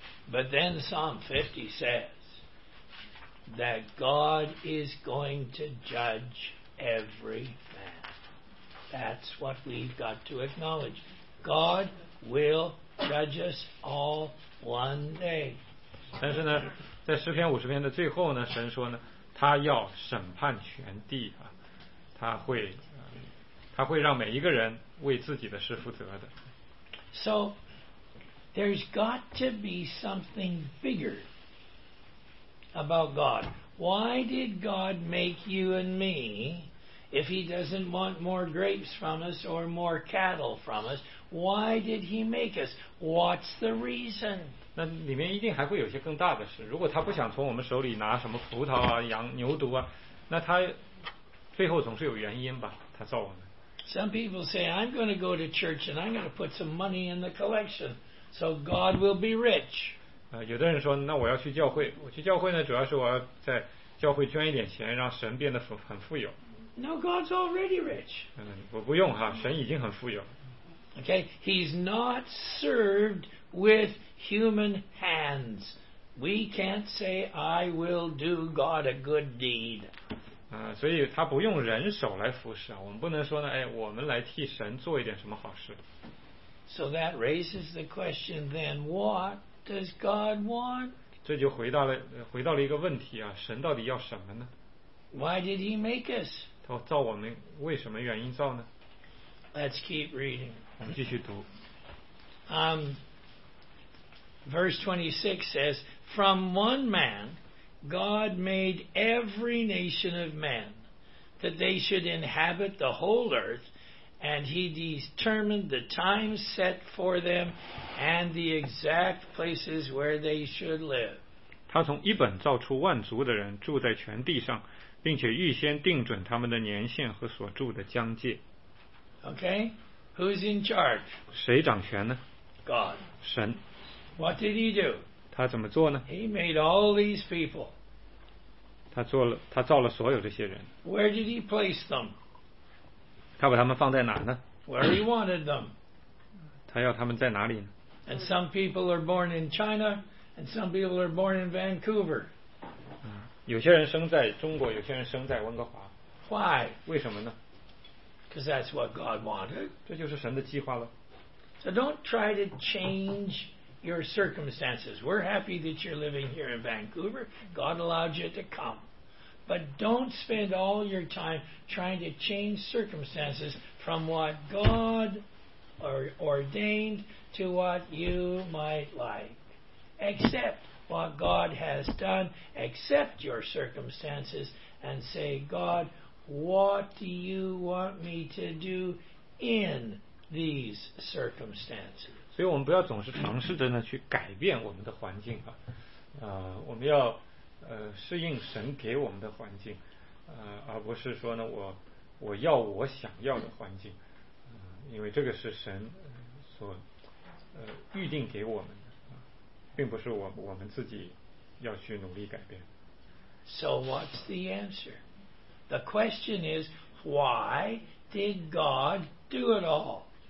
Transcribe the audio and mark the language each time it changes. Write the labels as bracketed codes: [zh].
[en] But then Psalm 50 says that God is going to judge every man. That's what we've got to acknowledge. God will judge us all one day. [zh] 但是呢，在诗篇五十篇的最后呢，神说呢，他要审判全地啊，他会让每一个人为自己的事负责的。 [en] So there's got to be something bigger about God. Why did God make you and me? If he doesn't want more grapes from us or more cattle from us, why did he make us? What's the reason? [zh] 那里面一定还会有些更大的事。如果他不想从我们手里拿什么葡萄啊、羊、牛犊啊，那他最后总是有原因吧？他造我们。 [en] Some people say, I'm going to go to church and I'm going to put some money in the collection so God will be rich. [zh] 有的人说，那我要去教会。我去教会呢，主要是我要在教会捐一点钱，让神变得很富有。 [en] No, God's already rich. [zh] 我不用哈，神已经很富有。 [en] Okay, he's not served with human hands. We can't say, I will do God a good deed. [zh] 所以他不用人手来服侍啊，我们不能说呢，哎，我们来替神做一点什么好事。 [en] So that raises the question then, what does God want? [zh] 这就回到了一个问题啊，神到底要什么呢？ [en] Why did he make us? [zh] 他造我们为什么原因造呢？ [en] Let's keep reading. [zh] 我们继续读。 [en] Verse 26 says, From one man, God made every nation of men, that they should inhabit the whole earth, and he determined the times set for them, and the exact places where they should live. [zh] 他从一本造出万族的人住在全地上，并且预先定准他们的年限和所住的疆界。 [en] Okay, who's in charge? [zh] 谁掌权呢？ [en] God. [zh] 神。 [en] What did he do? [zh] 他怎么做呢？ [en] He made all these people. [zh] 他造了所有这些人。 [en] Where did he place them? [zh] 他把他们放在哪呢？ [en] Where he wanted them. [zh] 他要他们在哪里呢？ [en] And some people are born in China, and some people are born in Vancouver. [zh] 有些人生在中国，有些人生在温哥华。 [en] Why? [zh] 为什么呢？ [en] Because that's what God wanted. [zh] 这就是神的计划了。 [en] So don't try to change your circumstances. We're happy that you're living here in Vancouver. God allowed you to come. But don't spend all your time trying to change circumstances from what God ordained to what you might like. Accept what God has done. Accept your circumstances and say, God, what do you want me to do in these circumstances? [zh] 所以我们不要总是尝试着呢去改变我们的环境啊，我们要适应神给我们的环境，而不是说呢我要我想要的环境，因为这个是神所预定给我们的，并不是我们自己要去努力改变。 [en] So what's the answer? The question is, why did God do it all?